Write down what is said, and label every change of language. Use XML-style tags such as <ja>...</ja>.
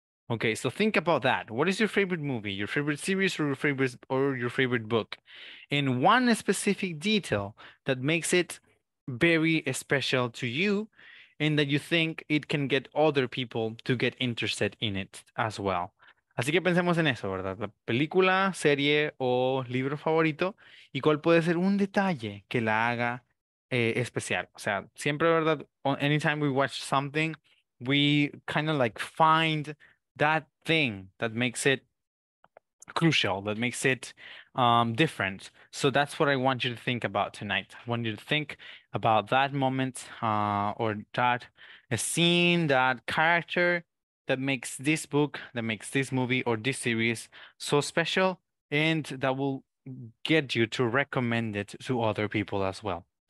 <en>Okay, so think about that. What is your favorite movie, your favorite series, or your favorite book? And one specific detail that makes it very special to you, and that you think it can get other people to get interested in it as well.</en> <es>Así que pensemos en eso, ¿verdad? La película, serie o libro favorito, y cuál puede ser un detalle que la haga especial. O sea, siempre, ¿verdad?</es> <en>Anytime we watch something, we kind of like find that thing that makes it crucial, that makes it different. So that's what I want you to think about tonight. I want you to think about that moment or that scene, that character, that makes this book, that makes this movie or this series so special, and that will get you to recommend it to other people as well.</en>